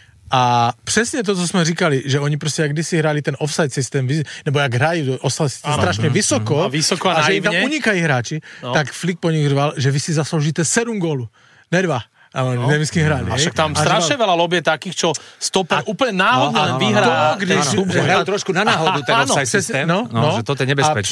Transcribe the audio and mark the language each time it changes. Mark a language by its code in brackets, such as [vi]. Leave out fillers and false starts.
[cs] A přesně to, co jsme říkali, že oni prostě jak kdysi hráli ten offside systém, nebo jak hrají offside systém, ano, strašně vysoko, a vysoko a že jim tam unikají hráči, no. Tak Flick po nich řval, že vy si zasloužíte 7 gólů, ne 2. [sk] Ale no. Neviem, s kým hrali. A však tam strašne veľa lobie takých, čo stoper úplne náhodne len vyhrá. To, když hrajú trošku na náhodu ten offside systém, že toto je nebezpečné.